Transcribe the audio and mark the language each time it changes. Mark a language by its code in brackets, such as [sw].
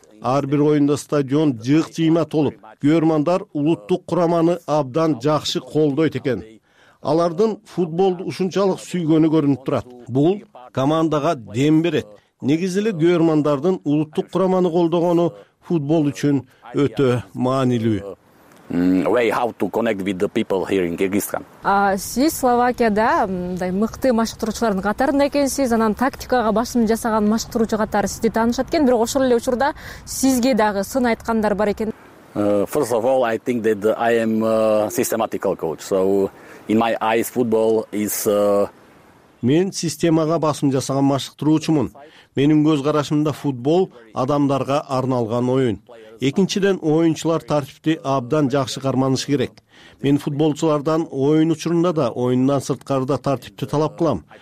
[ky] Ар бир оюнда стадион жык жыйма толуп, көрөрмандар улуттук кураманы абдан жакшы колдойт экен. Алардын футболду ушунчалык сүйгөнү көрүнүп турат. Бул командага дем берет. Негизи эле көрөрмандардын улуттук кураманы колдогону футбол үчүн өтө маанилүү. [en] Way how to connect with the people here in Kyrgyzstan. [ky] Сиз Словакияда мындай мыкты машыктыруучулардын катарында экенсиз, анан тактикага басым жасаган машыктыруучу катары сизди таанышат экен, бирок ошол эле учурда сизге дагы сын айткандар бар экен. [en] First of all, I think that I am a systematical coach. So in my eyes football is [ky] Мен системага басым жасаган машыктыруучумун. Менин көз карашымда футбол адамдарга арналган оюн. Экинчиден, оюнчулар тартипти абдан жакшы карманышы керек. Мен футболчулардан оюн учурунда да, оюндан сырткарыда тартипти талап кылам.